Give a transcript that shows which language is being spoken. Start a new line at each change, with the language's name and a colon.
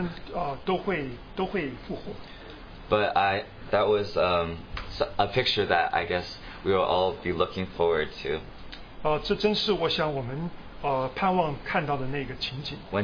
Chinese: 所以在那些橄榄山上的那些坟墓呢，信徒他们都会复活。
English: But that was a picture that I guess we will all be looking forward to.
Chinese: 这真是我想我们盼望看到的那个情景。
English: When